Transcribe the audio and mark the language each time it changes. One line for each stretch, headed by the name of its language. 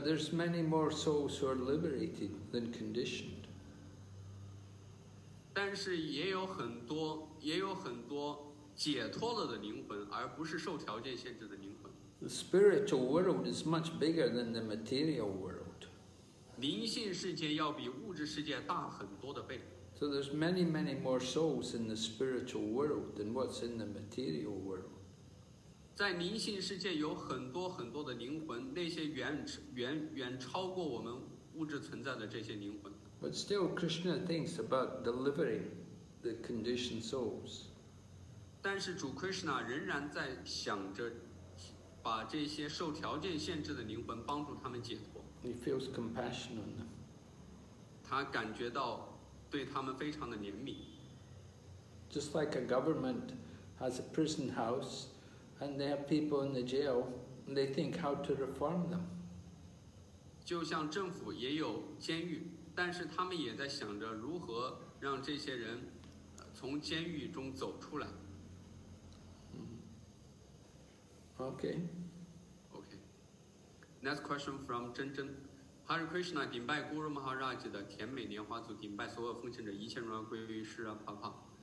English: But there's many more souls who are liberated than conditioned.
Chinese: 但是也有很多，解脱了的灵魂，而不是受条件限制的灵魂。
English: The spiritual world is much bigger than the material world.
Chinese: 灵性世界要比物质世界大很多的倍。
English: So there's many, many more souls in the spiritual world than what's in the material world.
Chinese: 在灵性世界有很多很多的灵魂，那些远超过我们物质存在的这些灵魂。
English: But still, Krishna thinks about delivering the conditioned souls.
Chinese: 但是主 Krishna 仍然在想着把这些受条件限制的灵魂帮助他们解脱。
English: He feels compassion on them.
Chinese: 他感觉到。对他们非常的怜悯。
English: Just like a government has a prison house, and they have people in the jail, and they think how to reform them.
Chinese: 就像政府也有监狱，但是他们也在想着如何让这些人从监狱中走出来。
English: Okay. Okay. Next question from
Chinese: 珍珍。Hare Krishna, 顶拜 Guru Maharaj 的甜美莲花组，顶拜所有奉献者，一切荣耀归于世人帕帕。